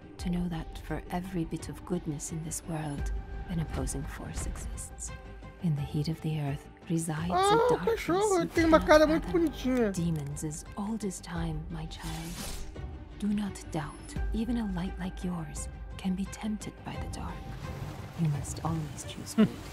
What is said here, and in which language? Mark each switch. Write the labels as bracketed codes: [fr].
[en] to know that for every bit of goodness in this world, an opposing force exists. In the heat of the earth resides a darkness. [pt] Ah, cachorro, tem uma cara muito bonitinha. [en] Demons as old as time, my child. Do not doubt, even a light like yours can be tempted by the dark. You must always choose good.